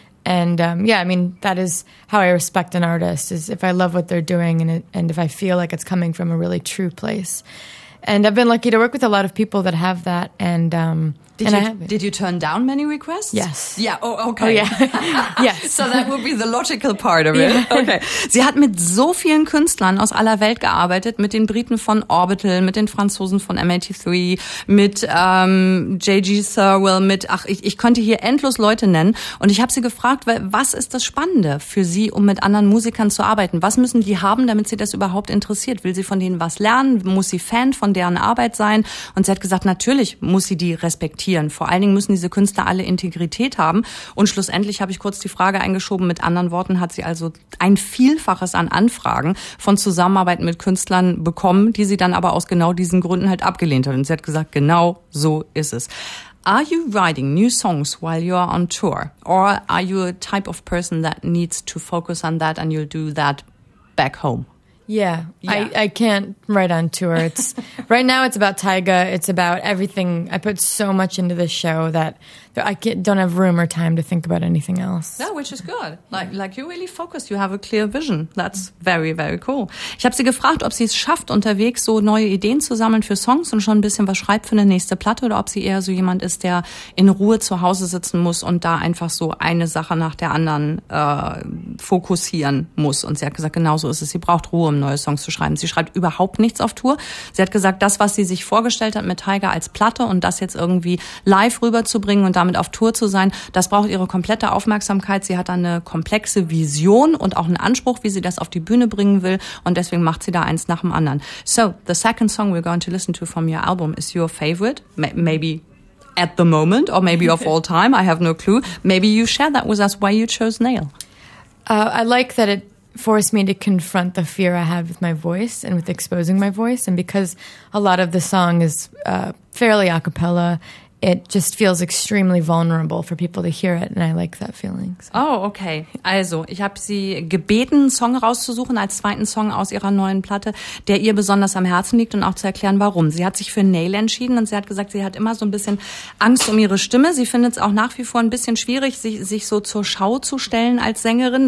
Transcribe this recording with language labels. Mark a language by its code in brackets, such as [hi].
[en] And yeah, I mean, that is how I respect an artist, is if I love what they're doing and if I feel like it's coming from a really true place. And I've been lucky to work with a lot of people that have that. And Did you turn down many requests? Yes. Yeah, oh, okay. Oh, yeah. Yes. So that would be the logical part of it. Yeah. Okay. [de] Sie hat mit so vielen Künstlern aus aller Welt gearbeitet, mit den Briten von Orbital, mit den Franzosen von M83, mit J.G. Thirlwell, mit, ach, ich könnte hier endlos Leute nennen. Und ich habe sie gefragt, was ist das Spannende für sie, um mit anderen Musikern zu arbeiten? Was müssen die haben, damit sie das überhaupt interessiert? Will sie von denen was lernen? Muss sie Fan von deren Arbeit sein? Und sie hat gesagt, natürlich muss sie die respektieren. Vor allen Dingen müssen diese Künstler alle Integrität haben. Und schlussendlich habe ich kurz die Frage eingeschoben. Mit anderen Worten, hat sie also ein Vielfaches an Anfragen von Zusammenarbeiten mit Künstlern bekommen, die sie dann aber aus genau diesen Gründen halt abgelehnt hat. Und sie hat gesagt, genau so ist es. [en] Are you writing new songs while you are on tour? Or are you a type of person that needs to focus on that and you'll do that back home? Yeah, I can't write on tour. It's right now it's about Tyga. It's about everything. I put so much into this show that I don't have room or time to think about anything else. No, which is good. Like you really focus. You have a clear vision. That's very, very cool. [de] Ich habe sie gefragt, ob sie es schafft, unterwegs so neue Ideen zu sammeln für Songs und schon ein bisschen was schreibt für eine nächste Platte, oder ob sie eher so jemand ist, der in Ruhe zu Hause sitzen muss und da einfach so eine Sache nach der anderen fokussieren muss. Und sie hat gesagt, genau so ist es. Sie braucht Ruhe, um neue Songs zu schreiben. Sie schreibt überhaupt nichts auf Tour. Sie hat gesagt, das, was sie sich vorgestellt hat mit Tyga als Platte und das jetzt irgendwie live rüberzubringen und damit auf Tour zu sein, das braucht ihre komplette Aufmerksamkeit. Sie hat da eine komplexe Vision und auch einen Anspruch, wie sie das auf die Bühne bringen will, und deswegen macht sie da eins nach dem anderen. [en] So, the second song we're going to listen to from your album is your favorite, maybe at the moment, or maybe of all time, I have no clue. Maybe you share that with us, why you chose Nail. I like that it forced me to confront the fear I have with my voice and with exposing my voice, and because a lot of the song is fairly a cappella, it just feels extremely vulnerable for people to hear it, and I like that feeling. So. Oh, okay. [de] Also, ich habe sie gebeten, einen Song rauszusuchen als zweiten Song aus ihrer neuen Platte, der ihr besonders am Herzen liegt, und auch zu erklären, warum. Sie hat sich für Nail entschieden, und sie hat gesagt, sie hat immer so ein bisschen Angst um ihre Stimme. Sie findet es auch nach wie vor ein bisschen schwierig, sich so zur Schau zu stellen als Sängerin.